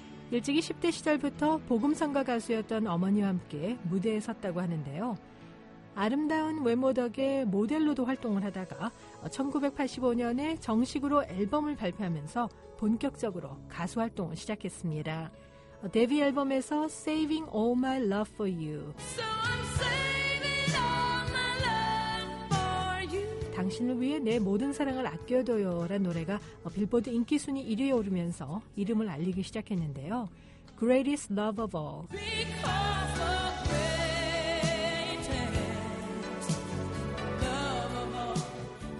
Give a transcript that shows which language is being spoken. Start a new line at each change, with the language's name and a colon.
Korean: 일찍이 10대 시절부터 복음성가 가수였던 어머니와 함께 무대에 섰다고 하는데요. 아름다운 외모 덕에 모델로도 활동을 하다가 1985년에 정식으로 앨범을 발표하면서 본격적으로 가수 활동을 시작했습니다. 데뷔 앨범에서 Saving All My Love For You.
English: So I'm saving all my love for you.
Korean: 당신을 위해 내 모든 사랑을 아껴둬요라는 노래가 빌보드 인기 순위 1위에 오르면서 이름을 알리기 시작했는데요.
English: Greatest Love of All. Because of greatest love of all.